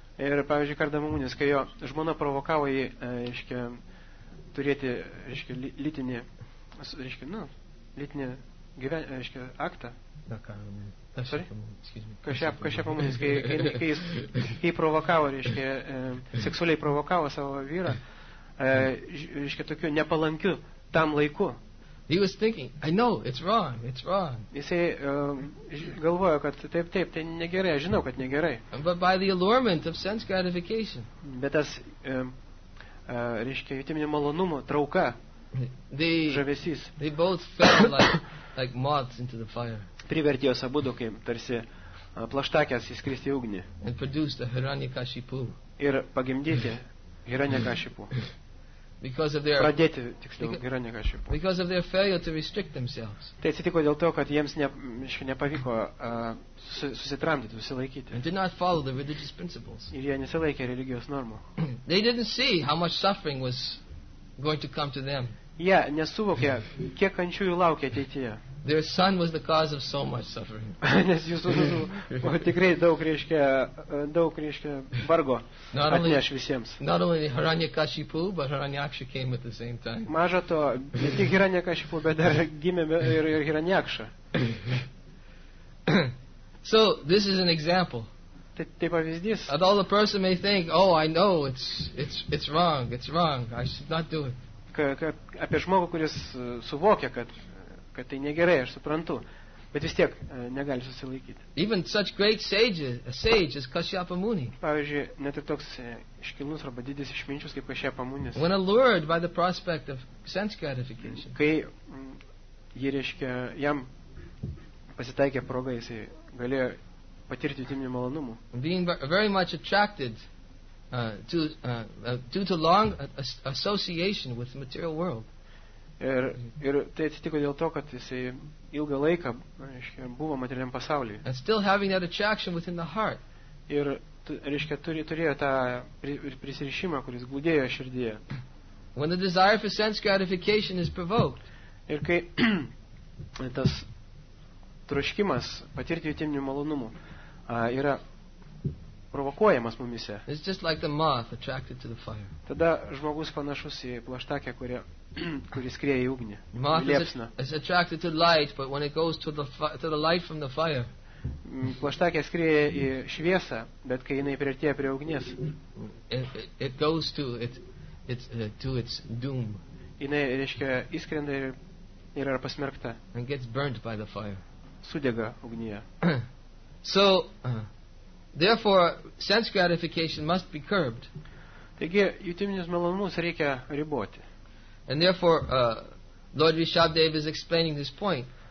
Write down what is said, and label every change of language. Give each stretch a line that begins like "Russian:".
Lithuanian: Ir, pavyzdžiui, Kardama Munis, kai jo žmona provokavo jį, reiškia, turėti, reiškia, lytinį, reiškia, nu, lytinį gyvenimą, reiškia, aktą. Kai provokavo, reiškia, seksualiai provokavo savo vyrą, reiškia, tokiu nepalankiu tam laiku.
English: He was thinking, I know, it's wrong.
Lithuanian: Jisai galvojo, kad taip, tai negerai, žinau, kad negerai.
English: But by the allurement of sense gratification.
Lithuanian: Bet tas, reiškia, jutiminio malonumo trauka, žavesys.
English: They both fell like moths into the fire.
Lithuanian: Privertė juos abudu, kaip tarsi plaštakės įskristi į ugnį.
English: And produced a Hiranyakashipu.
Lithuanian: Ir pagimdyti Hiranyakashipu.
English: Because of their
Lithuanian: pradėti, tiksliau,
English: because of their failure to restrict themselves.
Lithuanian: Tai atsitiko dėl to, kad jiems nepavyko susitramdyti, susilaikyti.
English: And did not follow the religious principles.
Lithuanian: Ir jie nesilaikė religijos normų.
English: They didn't see how much suffering was going to come to them.
Lithuanian: Jie nesuvokė, kiek kančių jų laukia ateityje.
English: Their son was the cause of so much suffering.
Lithuanian: Nes jūsų sūnus tikrai daug reiškia vargo atneš visiems.
English: Not only Hiranyakashipu, but Hiranyaksha came at the same time.
Lithuanian: Maža to, ne tik Hiranyakashipu, bet dar gimė ir Hiranyaksha.
English: So, this is an example.
Lithuanian: Tai pavyzdys.
English: Although the person may think, oh, I know, it's wrong, I should not do it.
Lithuanian: Apie žmogų, kuris suvokia, kad tai negerai, aš suprantu, bet vis tiek negali susilaikyti.
English: Even such great sage as Kashyapa Muni.
Lithuanian: Pavyzdžiui, net ir toks iškilnus arba didis išminčius kaip Kashyapa Munis.
English: When allured by the prospect of sense gratification.
Lithuanian: Kai jį, reiškia, jam pasitaikė proga, jisai galėjo patirti jutiminį malonumų.
English: Being very much attracted to association with the material world.
Lithuanian: Ir tai atsitiko dėl to, kad jisai ilgą laiką, reiškia, buvo materialiam pasaulyje.
English: And still having that attraction within the heart.
Lithuanian: Ir, reiškia, turėjo tą prisirišimą, kuris glūdėjo širdyje.
English: When the desire for sense gratification is provoked.
Lithuanian: Ir kai tas troškimas patirti jutiminių malonumų yra provokuojamas mumise.
English: It's just like the moth attracted to the fire.
Lithuanian: Tada žmogus panašus į plaštakę, kuri skrieja į ugnį.
English: It's attracted to light, but when it goes to the light from the fire.
Lithuanian: Plaštakė skrieja į šviesą, bet kai jinai priartėja prie ugnies,
English: it goes to its doom.
Lithuanian: Jinai, reiškia, iskrenda ir yra pasmerkta.
English: And gets burnt by the fire.
Lithuanian: Sudega ugnyje.
English: So, therefore, sense gratification must be curbed.
Lithuanian: Taigi, jutiminius malonumus reikia riboti.
English: And therefore, Lord Rishabhdev is explaining this point.